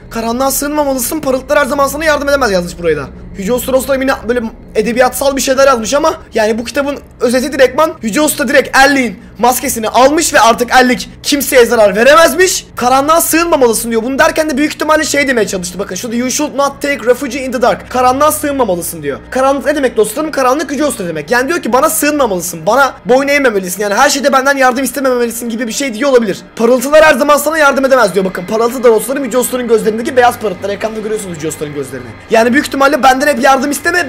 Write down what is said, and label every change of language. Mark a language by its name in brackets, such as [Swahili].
[Turkish] Karanlığa sığınmamalısın. Parıltılar her zaman sana yardım edemez yazmış buraya da. Yüce Usta dostlarım yine böyle edebiyatsal bir şeyler yazmış ama yani bu kitabın özeti direktman Yüce Usta direkt Ellik'in maskesini almış ve artık Ellik kimseye zarar veremezmiş. Karanlığa sığınmamalısın diyor. Bunu derken de büyük ihtimalle şey demeye çalıştı. Bakın şurada, [English] you should not take refuge in the dark. [Turkish] Karanlığa sığınmamalısın diyor. Karanlık ne demek dostlarım? Karanlık Yüce Usta demek. Yani diyor ki bana sığınmamalısın. Bana boyun eğmemelisin. Yani her şeyde benden yardım istememelisin gibi bir şey diye olabilir. Parıltılar her zaman sana yardım edemez diyor. Bakın parıltılar dostlarım Yüce Usta'nın gözlerindeki beyaz parıltılar. Ekranda görüyorsunuz Yüce Usta'nın gözlerini. Yani büyük ihtimalle benden hep yardım isteme.